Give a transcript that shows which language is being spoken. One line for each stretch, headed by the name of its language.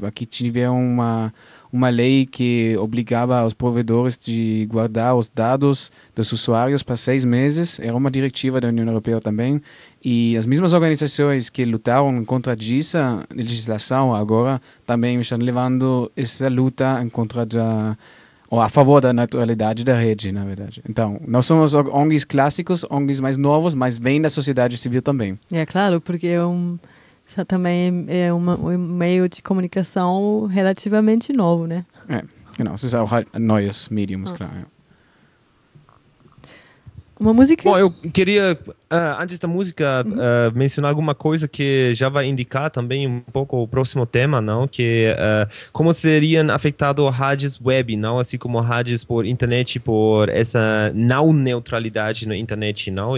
Portuguese: Aqui tiveram uma lei que obrigava os provedores de guardar os dados dos usuários para 6 meses, era uma diretiva da União Europeia também, e as mesmas organizações que lutaram contra essa legislação agora também estão levando essa luta em contra da, ou a favor da neutralidade da rede, na verdade. Então, nós somos ONGs clássicos, ONGs mais novos, mas vêm da sociedade civil também. É claro, porque é também é um meio de comunicação relativamente novo, né?
German: É, genau, es ist auch halt ein neues Medium, ist klar, ja.
Portuguese: Uma música? Bom, eu queria, antes da música, mencionar alguma coisa que já vai indicar também um pouco o próximo tema, não? Que como seriam afetados rádios web, não? Assim como rádios por internet, por essa não-neutralidade na internet, não?